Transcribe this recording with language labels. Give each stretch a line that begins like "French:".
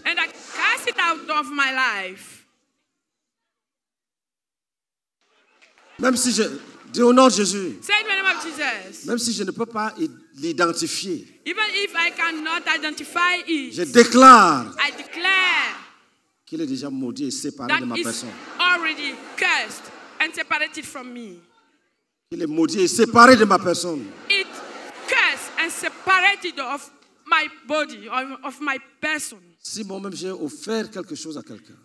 English: And I cast it out of my life.
French: Même si je dis au nom de Jésus.
English: Say in the name of Jesus.
French: Même si je ne peux pas l'identifier.
English: Even if I cannot identify it.
French: Je déclare.
English: I declare.
French: Qu'il est déjà maudit et séparé de ma personne.
English: That is already cursed. And separated from me.
French: Il est maudit et séparé de ma personne.
English: It cursed and separated of my body, of my person.
French: Si moi-même j'ai offert quelque chose à quelqu'un.